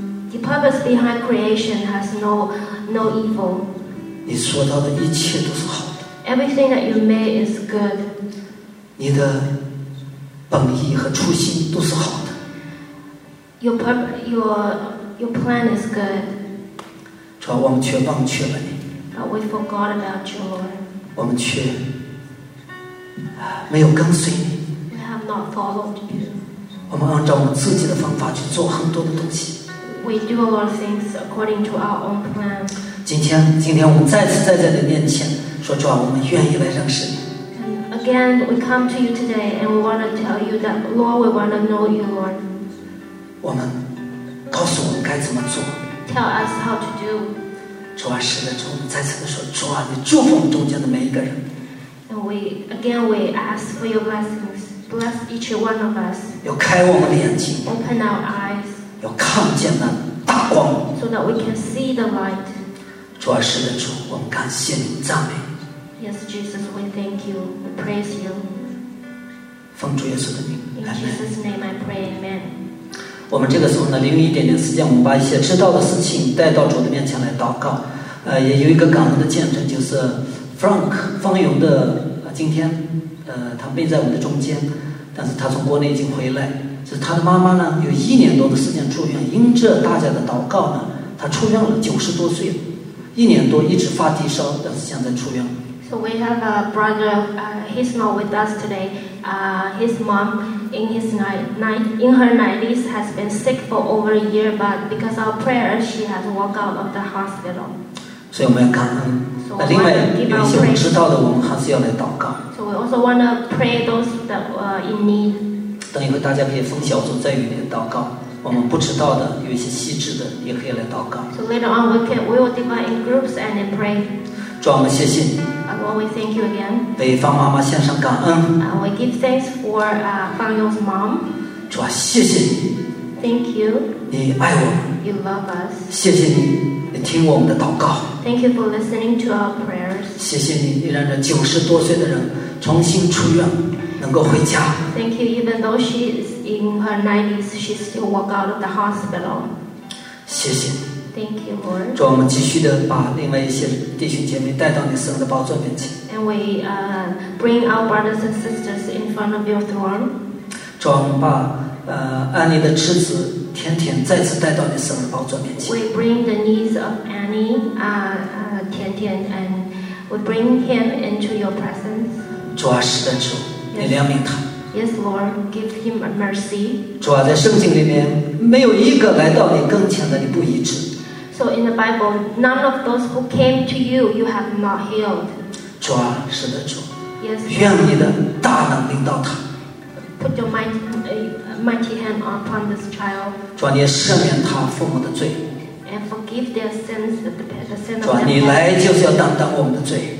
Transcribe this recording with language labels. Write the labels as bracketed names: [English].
[English] The purpose behind creation has no evil. [Chinese] 你说到的一切都是好的。 [English] Everything that you made is good. [Chinese] 你的本意和初心都是好的。 [English] Your plan is good. [Chinese] 主啊，我们却忘却了你。 [English] But we forgot about you, Lord. [Chinese] 我们却没有跟随你。 [English] We have not followed you. [Chinese] 我们按照我们自己的方法去做很多的东西。 [English] We do a lot of things according to our own plan. [Chinese] 今天我们再次在这里面前说，主啊，我们愿意来认识你。 [English] Again, we come to you today and we want to tell you that, Lord, we want to know you, Lord. [Chinese] 我们告诉我们该怎么做。 [English] Tell us how to do. [Chinese] 主啊，是的，主，我们再次的说，主啊，你祝福我们中间的每一个人。 [English] And we ask for your blessings. Bless each one of us. [Chinese] 要开我们的眼睛。 [English] Open our eyes. [Chinese] 要看见那大光。 [English] So that we can see the light. [Chinese] 主啊，是的，主，我们感谢你，赞美。 [English] Yes, Jesus, we thank you. We praise you. [Chinese] 奉主耶稣的名。 [English] In Jesus' name, I pray. Amen. [Chinese] 我们这个时候呢，利用一点点时间，我们把一些知道的事情带到主的面前来祷告。也有一个感恩的见证，就是Frank 方勇的今天他没在我们的中间，但是他从国内已经回来，是他的妈妈呢有一年多的时间住院，因着大家的祷告呢，他出院了，90多岁，一年多一直发低烧，但是现在出院。 [English] So we have a brother, he's not with us today. His mom in her 90s has been sick for over a year, but because of prayer she has walked out of the hospital. [Chinese] 所以我们要感恩。那另外有一些我们知道的，我们还是要来祷告。 [English] So we also want to pray those that in need. [Chinese] 等一会大家可以分小组在里面祷告。我们不知道的，有一些细致的，也可以来祷告。 [English] So later on we will divide in groups and pray. [Chinese] 主啊，我们谢谢你。 [English] Lord, we thank you again. [Chinese] 为方妈妈献上感恩。 [English] We give thanks for Fang Yong's mom. [Chinese] 主啊，谢谢你。 [English] Thank you. [Chinese] 你爱我们。 [English] You love us. [Chinese] 谢谢你。你听我们的祷告。 [English] Thank you for listening to our prayers. [Chinese] 谢谢你，你让这90多岁的人重新出院，能够回家。 [English] Thank you, even though she is in her 90s, she still walk out of the hospital. [Chinese] 谢谢你。 [English] Thank you, Lord. [Chinese] 主，我们继续的把另外一些弟兄姐妹带到你圣的宝座面前。 [English] And we bring our brothers and sisters in front of your throne. [Chinese] 主，我们把安妮的侄子甜甜再次带到你圣的宝座面前。 [English] We bring the niece of Annie, Tian Tian, and we bring him into your presence. [Chinese] 主啊，是的，主，你怜悯他。 [English] Yes, Lord, give him mercy. [Chinese] 主啊，在圣经里面没有一个来到你跟前的你不医治。 [English] So in the Bible, none of those who came to you, you have not healed. [Chinese] 主啊，是的，主。 [English] Yes. [Chinese] 愿你的大能临到他。 [English] Put your mighty hand upon this child. [Chinese] 主啊，你赦免他父母的罪。 [English] And forgive their sins, the sin of. [Chinese] 主啊，你来就是要担当我们的罪。